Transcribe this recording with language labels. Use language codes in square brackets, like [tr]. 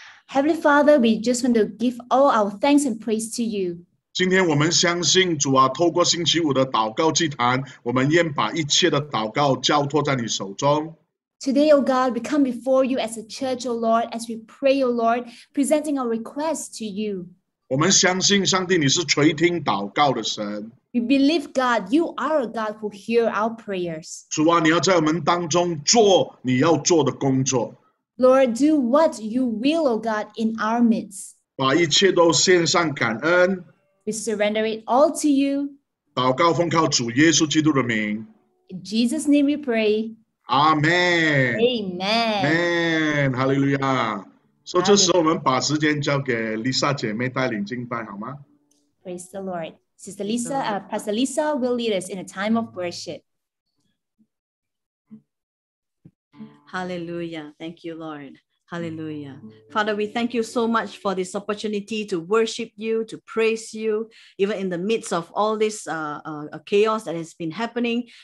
[en] Heavenly Father, we just want to give all our thanks and praise to you. [zh] 今天我们相信主啊，透过星期五的祷告祭坛，我们愿把一切的祷告交托在你手中。 [en] Today, O God, we come before you as a church, O Lord, as we pray, O Lord, presenting our requests to you. [zh] 我们相信上帝，你是垂听祷告的神。 [en] We believe God, you are a God who hears our prayers. [zh] 主啊，你要在我们当中做你要做的工作。 [en] Lord, do what you will, O God, in our midst. [zh] 把一切都献上感恩。 [en] We surrender it all to you. [zh] 祷告奉靠主耶稣基督的名。 [en] In Jesus' name we pray. Amen. Amen. Amen. Hallelujah. [zh] So, 这时候我们把时间交给 Lisa 姐妹带领敬拜，好吗？ [en] Praise the Lord. Sister Lisa, Pastor Lisa will lead us in a time of worship. Hallelujah. Thank you, Lord. Hallelujah. Father, we thank you so much for this opportunity to worship you, to praise you, even in the midst of all this chaos that has been happening.